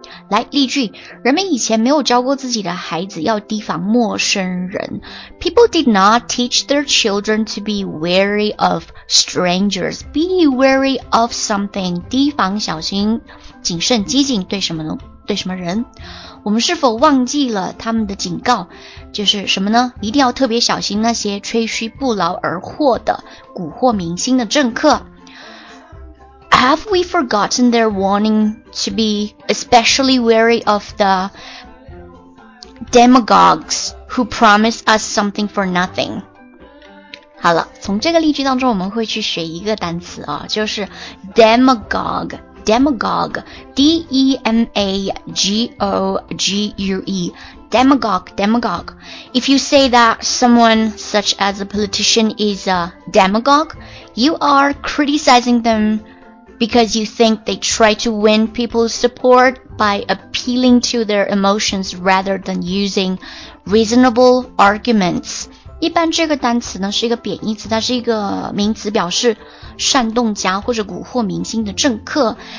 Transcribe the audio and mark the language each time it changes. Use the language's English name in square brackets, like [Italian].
[Chinese] 来，例句，人们以前没有教过自己的孩子要提防陌生人。 [English] People did not teach their children to be wary of strangers. Be wary of something. [Chinese] 提防、小心、谨慎、机警，对什么呢？对什么人？我们是否忘记了他们的警告？就是什么呢？一定要特别小心那些吹嘘不劳而获的蛊惑民心的政客。 [English] Have we forgotten their warning to be especially wary of the demagogues who promise us something for nothing? [Chinese] 好了，从这个例句当中我们会去学一个单词啊，就是 demagogue。 [English] Demagogue, D-E-M-A-G-O-G-U-E, demagogue, demagogue. If you say that someone such as a politician is a demagogue, you are criticizing them because you think they try to win people's support by appealing to their emotions rather than using reasonable arguments. [Chinese] 一般这个单词呢是一个贬义词，它是一个名词，表示煽动家或者蛊惑民心的政客。